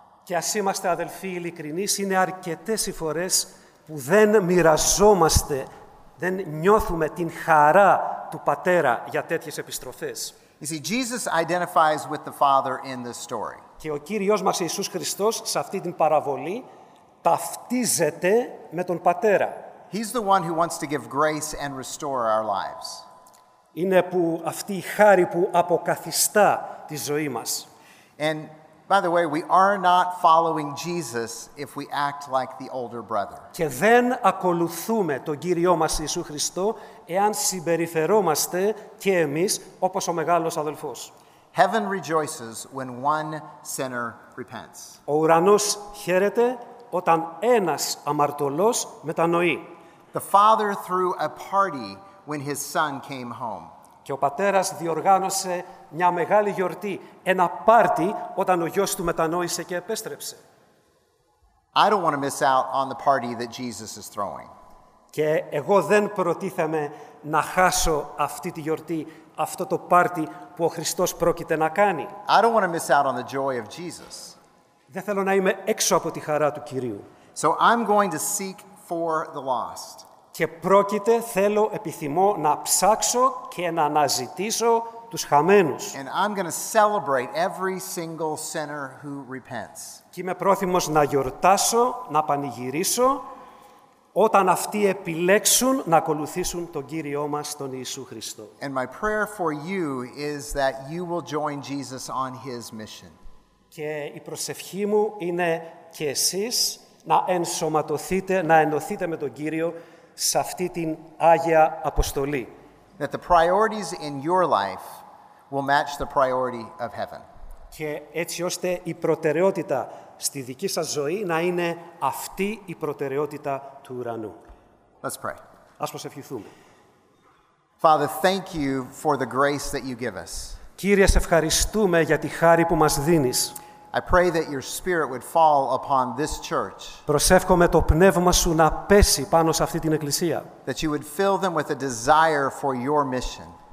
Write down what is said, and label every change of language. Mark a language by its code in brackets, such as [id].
[el] Και ας είμαστε αδελφοί ειλικρινείς, είναι αρκετές οι φορές που δεν μοιραζόμαστε, δεν νιώθουμε την χαρά του Πατέρα για τέτοιες επιστροφές. [en] You see, Jesus identifies with the Father in this story. [el] Και ο Κύριος μας Ιησούς Χριστός σε αυτή την παραβολή ταυτίζεται με τον Πατέρα. [en] He's the one who wants to give grace and restore our lives. [el] Είναι που αυτή η χάρη που αποκαθιστά τη ζωή μας. [en] And by the way, we are not following Jesus if we act like the older brother. [el] Και δεν ακολουθούμε τον Κύριό μας Ιησού Χριστό εάν συμπεριφερόμαστε και εμείς όπως ο μεγάλος αδελφός. [en] Heaven rejoices when one sinner repents. [el] Ο ουρανός χαίρεται όταν ένας αμαρτωλός μετανοεί. [en] The father threw a party when his son came home. [el] Και ο πατέρας διοργάνωσε μια μεγάλη γιορτή, ένα πάρτι, όταν ο γιος του μετανόησε και επέστρεψε. [en] I don't want to miss out on the party that Jesus is throwing. [el] Και εγώ δεν προτίθεμαι να χάσω αυτή τη γιορτή, αυτό το πάρτι που ο Χριστός πρόκειται να κάνει. [en] I don't want to miss out on the joy of Jesus. [el] Δεν θέλω να είμαι έξω από τη χαρά του Κυρίου. [en] So I'm going to seek for the lost. [el] Και πρόκειται, θέλω, επιθυμώ να ψάξω και να αναζητήσω τους χαμένους. [en] And I'm going to celebrate every single sinner who repents. [el] Και είμαι πρόθυμος να γιορτάσω, να πανηγυρίσω, όταν αυτοί επιλέξουν να ακολουθήσουν τον Κύριό μας, τον Ιησού Χριστό. [en] And my prayer for you is that you will join Jesus on his mission. [el] Και η προσευχή μου είναι και εσείς να ενσωματωθείτε, να ενωθείτε με τον Κύριο σε αυτή την Άγια Αποστολή. [en] That the priorities in your life will match the priority of heaven. [el] Και έτσι ώστε η προτεραιότητα στη δική σας ζωή να είναι αυτή η προτεραιότητα του ουρανού. [en] Let's pray. [el] Ας προσευχηθούμε. [en] Father, thank you for the grace that you give us. [el] Κύριε, σε ευχαριστούμε για τη χάρη που μας δίνεις. [en] I pray that your spirit would fall upon this church. [el] Προσεύχομαι το πνεύμα σου να πέσει πάνω σε αυτή την εκκλησία. [en] That you would fill them with a desire for your mission.